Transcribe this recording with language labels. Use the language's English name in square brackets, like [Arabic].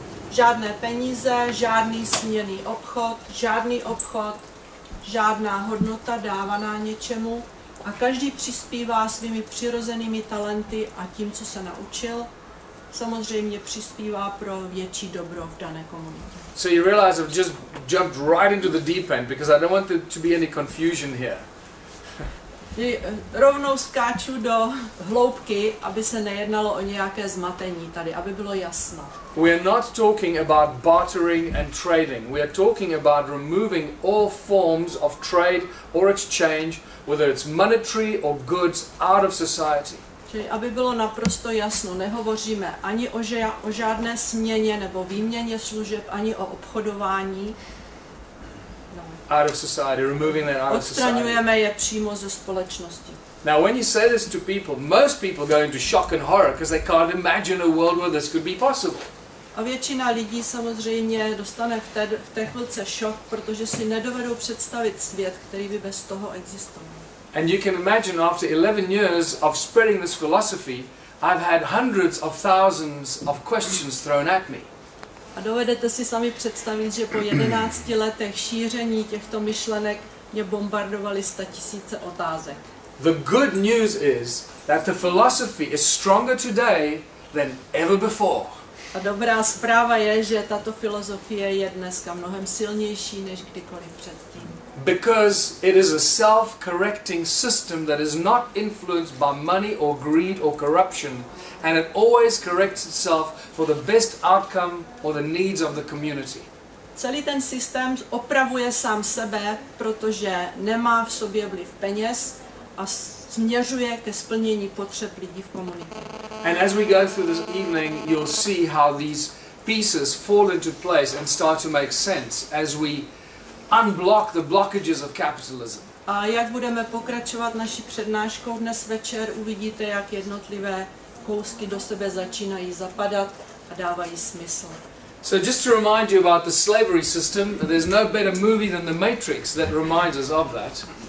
[Czech] Žádné peníze, žádný směný obchod, žádný obchod, žádná hodnota dávaná něčemu a každý přispívá svými přirozenými talenty a tím, co se naučil. Samozřejmě přispívá pro větší dobro v dané komunitě. [English] So you realize I've just jumped right into the deep end because I don't want there to be any confusion here. [Czech] Rovnou skáču do hloubky, aby se nejednalo o nějaké zmatení tady, aby bylo jasno. [English] We are not talking about bartering and trading. We are talking about removing all forms of trade or exchange, whether it's monetary or goods, out of society. [Czech] Čili aby bylo naprosto jasno, nehovoříme ani o žádné směně nebo výměně služeb, ani o obchodování. [English] Out of society, removing that out of society. [Czech] Odstraňujeme je přímo ze společnosti. [English] Now when you say this to people, most people go into shock and horror because they can't imagine a world where this could be possible. [Czech] A většina lidí samozřejmě dostane v té chvilce šok, protože si nedovedou představit svět, který by bez toho existoval. [English] And you can imagine after 11 years of spreading this philosophy, I've had hundreds of thousands of questions thrown at me. [Czech] A dovedete si sami představit, že po 11 letech šíření těchto myšlenek mě bombardovaly 100 000 otázek. [English] The good news is that the philosophy is stronger today than ever before. [Czech] A dobrá zpráva je, že tato filozofie je dneska mnohem silnější než kdykoliv předtím. [English] Because it is a self-correcting system that is not influenced by money or greed or corruption, and it always corrects itself for the best outcome or the needs of the community. [Czech] Celý ten systém opravuje sám sebe, protože nemá v sobě vliv peněz a směřuje ke splnění potřeb lidí v komunitě. [English] And as we go through this evening, you'll see how these pieces fall into place and start to make sense as we unblock the blockages of capitalism. [Czech] A jak budeme pokračovat naší přednáškou dnes večer, uvidíte, jak jednotlivé kousky do sebe začínají zapadat a dávají smysl. [English] So just to remind you about the slavery system, there's no better movie than The Matrix that reminds us of that.